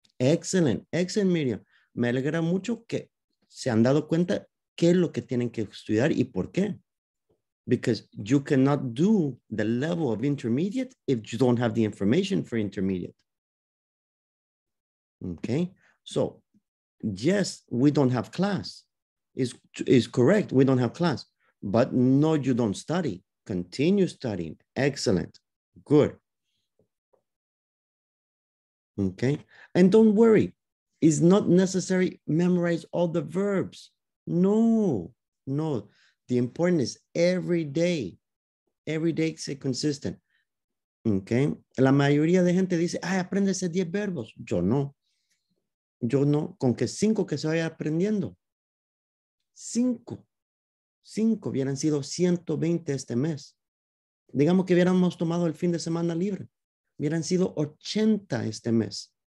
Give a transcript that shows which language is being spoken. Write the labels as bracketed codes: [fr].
[en] Excellent, Miriam. [es] Me alegra mucho que se han dado cuenta qué es lo que tienen que estudiar y por qué. [en] Because you cannot do the level of intermediate if you don't have the information for intermediate. Okay, so yes, we don't have class. Is correct, we don't have class. But no, you don't study. Continue studying. Excellent, good. Okay, and don't worry. It's not necessary to memorize all the verbs. No. The important is every day stay consistent, okay? [es] La mayoría de gente dice, ay, apréndese 10 verbos. Yo no, con que 5 que se vaya aprendiendo. 5 hubieran sido 120 este mes. Digamos que hubiéramos tomado el fin de semana libre. Hubieran sido 80 este mes.